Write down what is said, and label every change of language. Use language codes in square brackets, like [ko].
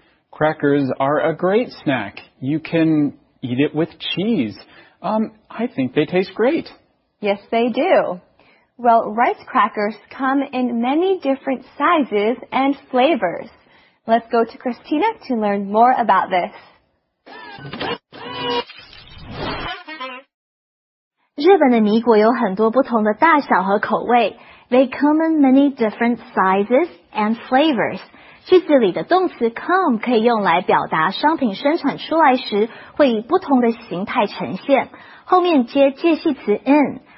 [en] Crackers are a great snack. You can eat it with cheese. I think they taste great. Yes, they do. Well, rice crackers come in many different sizes and flavors. Let's go to Christina to learn more about this. [zh] 日本的米果有很多不同的大小和口味. [en] They come in many different sizes and flavors. [zh] 句子里的动词 come 可以用来表达商品生产出来时会以不同的形态呈现，后面接介系词 in。